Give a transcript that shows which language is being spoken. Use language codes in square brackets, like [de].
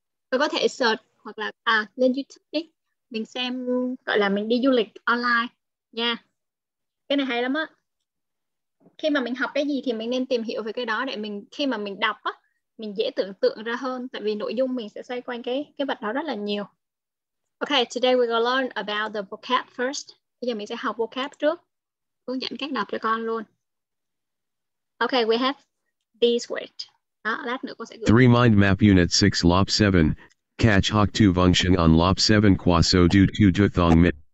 [vi] Tôi có thể search hoặc là lên YouTube đi, mình xem, gọi là mình đi du lịch online nha. Cái này hay lắm á. Khi mà mình học cái gì thì mình nên tìm hiểu về cái đó, để mình khi mà mình đọc á, mình dễ tưởng tượng ra hơn. Tại vì nội dung mình sẽ xoay quanh cái vật đó rất là nhiều. [en] Ok, today we're gonna learn about the vocab first. [vi] Bây giờ mình sẽ học vocab trước, hướng dẫn cách đọc cho con luôn. [en] Ok, we have these words. [vi] Đó, lát nữa con sẽ gửi. 3 mind map unit 6 lop 7. Catch hawk 2 function on lop 7 qua so do 2 to thong mi.